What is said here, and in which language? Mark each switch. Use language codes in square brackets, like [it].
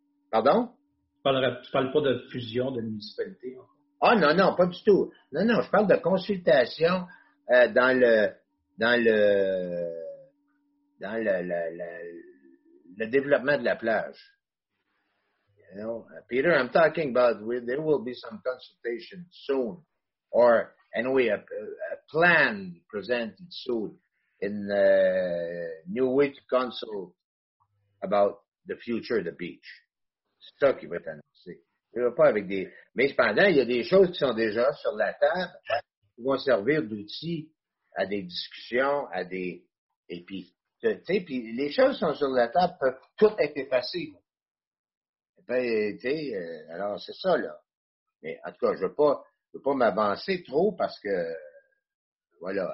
[fr] Pardon? Tu ne parles pas de fusion de municipalités. Ah non, pas du tout. Non, je parle de consultations dans le développement de la plage. [en] You know, Peter, I'm talking about there will be some consultation soon. Or anyway, a plan presented soon in a new way to consult about the future of the beach. [fr] C'est ça qui va être annoncé. Il va pas avec des. Mais cependant, il y a des choses qui sont déjà sur la table qui vont servir d'outils à des discussions, à des Et puis, tu sais, puis les choses sont sur la table, peuvent toutes être effacées. Ben, tu sais, alors c'est ça, là. Mais en tout cas, je veux pas m'avancer trop parce que, voilà.